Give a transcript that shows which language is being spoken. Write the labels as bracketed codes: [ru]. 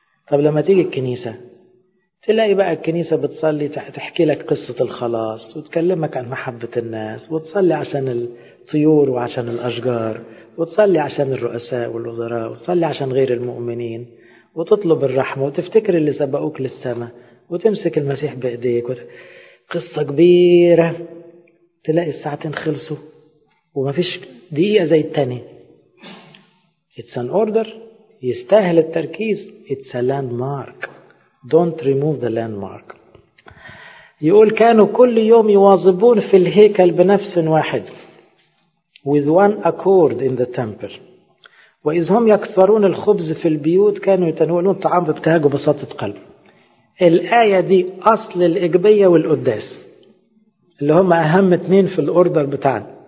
[ar] طب لما تيجي الكنيسة تلاقي بقى الكنيسة بتصلي تحكي لك قصة الخلاص وتكلمك عن محبة الناس، وتصلي عشان الطيور وعشان الأشجار، وتصلي عشان الرؤساء والوزراء، وتصلي عشان غير المؤمنين، وتطلب الرحمة وتفتكر اللي سبقوك للسماء، وتمسك المسيح بأيديك. قصة كبيرة، تلاقي الساعتين خلصوا وما فيش دقيقة زي التاني. [en] It's an order. [ar] يستاهل التركيز. [en] It's a landmark. Don't remove the landmark. [ar] يقول كانوا كل يوم يواظبون في الهيكل بنفس واحد [en] with one accord in the temple. [ar] وإذ هم يكثرون الخبز في البيوت كانوا يتناولون طعام بابتهاج وبساطة قلب. الآية دي أصل الإجبية والقداس اللي هم أهم اتنين في الأوردر بتاعنا.